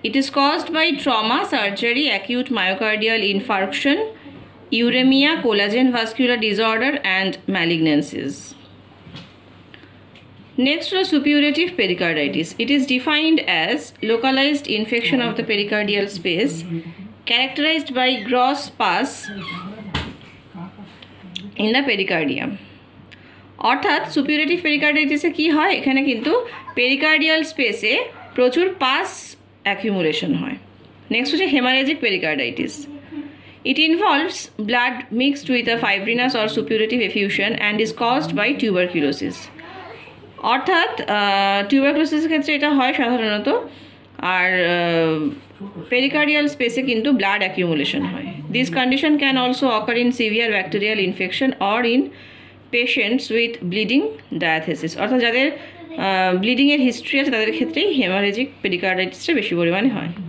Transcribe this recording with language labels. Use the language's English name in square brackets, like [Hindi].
[English] It is caused by trauma, surgery, acute myocardial infarction, uremia, collagen vascular disorder, and malignancies. Next is suppurative pericarditis. It is defined as localized infection of the pericardial space, characterized by gross pus in the pericardium. [Bangla] অর্থাৎ suppurative pericarditis কি হয়, এখানে কিন্তু pericardial space এ প্রচুর pus accumulation হয়। [English] Next [Bangla] হচ্ছে [English] hemorrhagic pericarditis. It involves blood mixed with a fibrinous or suppurative effusion and is caused by tuberculosis. [Bangla] অর্থাৎ টিউবারকুলোসিসের ক্ষেত্রে এটা হয় সাধারণত, আর পেরিকার্ডিয়াল স্পেসে কিন্তু ব্লাড অ্যাকিউমুলেশন হয়। [English] this condition can also occur in severe bacterial infection or in patients with bleeding diathesis, [Bangla] অর্থাৎ যাদের ব্লিডিংয়ের হিস্ট্রি আছে তাদের ক্ষেত্রেই হেমারেজিক পেরিকার্ডাইটিসটা বেশি পরিমাণে হয়।